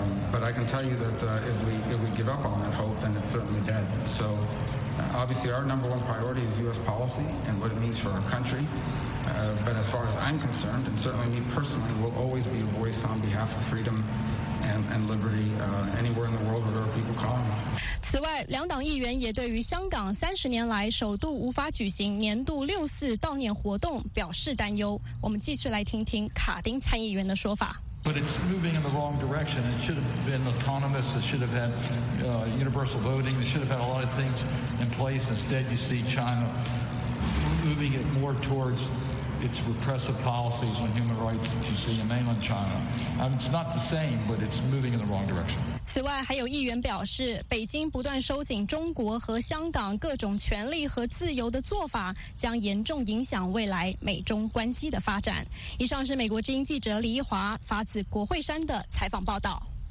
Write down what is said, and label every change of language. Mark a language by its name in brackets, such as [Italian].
[English] But I can tell you that if we give up on that hope, then it's certainly dead. So obviously our number one priority is U.S. policy and what it means for our country. But as far as I'm concerned, and certainly me personally, will always be a voice on behalf of freedom and liberty anywhere in the world where there are people calling. [Chinese] 此外，两党议员也对于香港30年来首度无法举行年度六四悼念活动表示担忧。我们继续来听听卡丁参议员的说法。 [English] But it's moving in the wrong direction. It should have been autonomous. It should have had universal voting. It should have had a lot of things in place. Instead, you see China moving it more towards its repressive policies on human rights that you see in mainland China. It's not the same, but it's moving in the wrong direction. [Chinese] 此外，还有议员表示，北京不断收紧中国和香港各种权利和自由的做法，将严重影响未来美中关系的发展。以上是美国之音记者李一华发自国会山的采访报道。